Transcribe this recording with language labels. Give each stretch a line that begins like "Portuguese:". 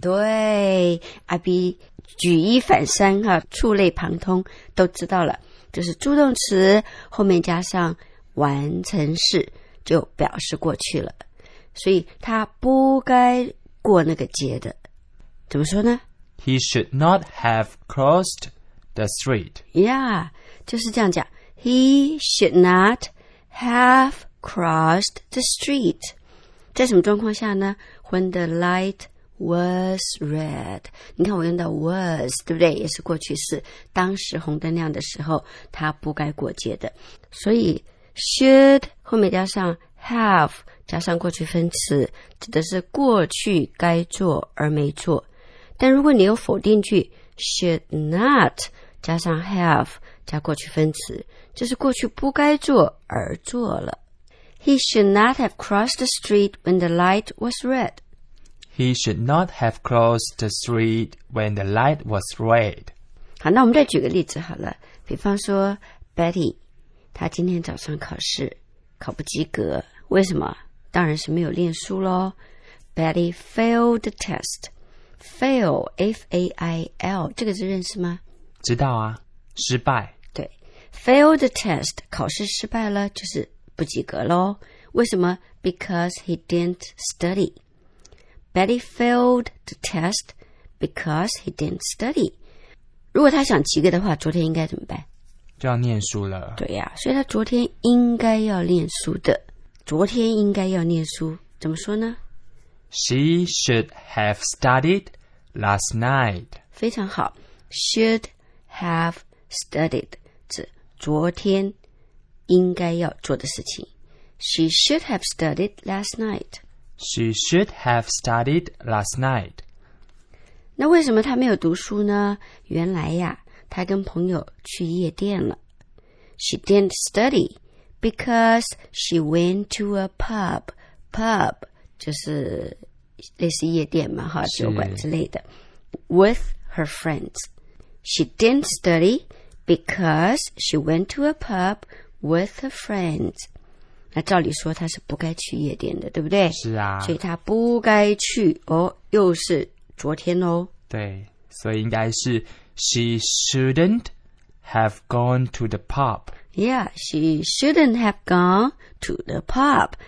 Chinese: 对阿 B 举一反三哈、啊，触类旁通都知道了就是助动词后面加上完成式就表示过去了所以他不该过那个街的怎么说呢
English: He should not have crossed the street Yeah
Chinese: 就是这样讲
English: He should not have crossed the street
Chinese: 在什么状况下呢
English: When the light was red.
Chinese: 你看我用到 was, 对不对？也是过去式。当时红灯亮的时候，他不该过街的。所以 should 后面加上 have 加上过去分词，指的是过去该做而没做。但如果你有否定句 should not 加上 have 加过去分词，就是过去不该做而做了。
English: He should not have crossed the street when the light was red. He should not have crossed the street when the light was red.
Chinese: 好，那我们再举个例子好了。比方说 ，Betty， 她今天早上考试考不及格，为什么？当然是没有练书喽。
English: Betty failed the test.
Chinese: Fail, F-A-I-L， 这个字认识吗？知道啊，失败。对 ，failed the test， 考试失败了就是。不及格咯为什么
English: Because he didn't study. Betty failed the test because he didn't study.
Chinese: 如果他想及格的话昨天应该怎么办就要念书了。对呀、啊、所以他昨天应该要念书的。昨天应该要念书怎么说呢
English: She should have studied last night.
Chinese: 非常好 Should have studied 指昨天应该要做的事情
English: She should have studied last night She should have studied last night
Chinese: 那为什么她没有读书呢原来呀她跟朋友去夜店了
English: She didn't study Because she went to a pub Pub
Chinese: 就是类似夜店嘛哈酒馆之类的
English: With her friends She didn't study Because she went to a pubWith her friends.
Chinese: 那照理说他是不该去夜店的对不对是啊。所以他不该去哦又是昨天哦。对。所以应该是
English: She shouldn't have gone to the pub. Yeah, she shouldn't have gone to the pub.